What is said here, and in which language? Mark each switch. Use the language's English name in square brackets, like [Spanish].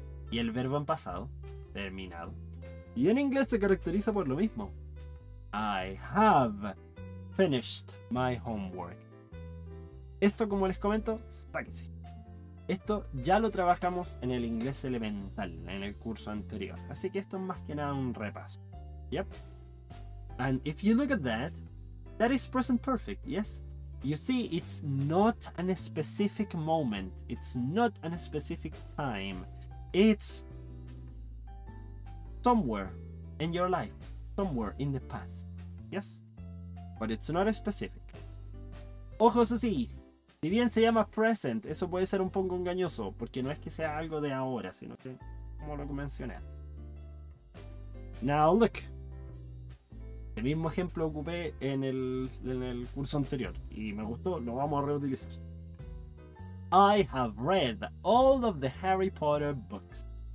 [Spanish] Y el verbo en pasado, terminado. Y en inglés se caracteriza por lo mismo. [English] I have finished my homework. [Spanish] Esto, como les comento, sáquense. Esto ya lo trabajamos en el inglés elemental, en el curso anterior. Así que esto es más que nada un repaso. [English] Yep. And if you look at that, that is present perfect, yes? You see, it's not a specific moment. It's not a specific time. It's somewhere in your life, somewhere in the past, yes? But it's not specific. [Spanish] Ojo, eso sí, si bien se llama present, eso puede ser un poco engañoso, porque no es que sea algo de ahora, sino que, como lo mencioné. [English] Now look, [Spanish] el mismo ejemplo ocupé en el curso anterior, y me gustó, lo vamos a reutilizar. [English] I have read all of the Harry Potter books.